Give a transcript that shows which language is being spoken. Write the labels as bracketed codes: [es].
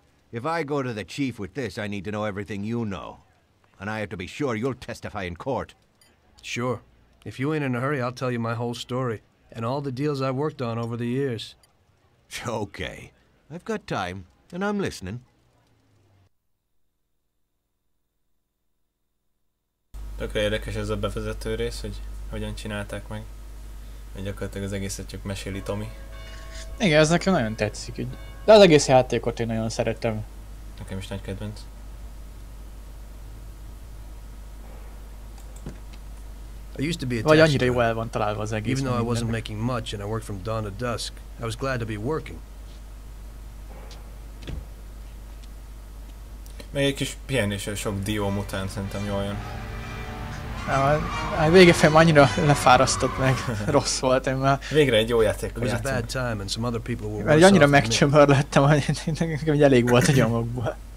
[en] If I go to the chief with this, I need to know everything you know. And I have to be sure you'll testify in court. Sure. If you ain't in a hurry, I'll tell you my whole story. And all the deals I've worked on over the years. Okay. I've got time, and I'm listening. [hu] Tökre érdekes ez a bevezető rész, hogy hogyan csinálták meg. Mert gyakorlatilag az egészet csak meséli Tomi. Igen, ez nekem nagyon tetszik. De az egész játékot én nagyon szeretem. Nekem is nagy kedvenc. [en] I used to be attached. [hu] Vagy annyira jó el van találva az egész. [en] Even though I wasn't making much and I worked from dawn to dusk, I was glad to be working. [hu] Meg egy kis pihenéssel sok dióm után szerintem jól jön. A vége fel annyira lefárasztott meg, rossz volt, én már... Végre egy jó játékot játszom. Mert annyira megcsömör lettem, hogy nekem elég volt a nyomokból.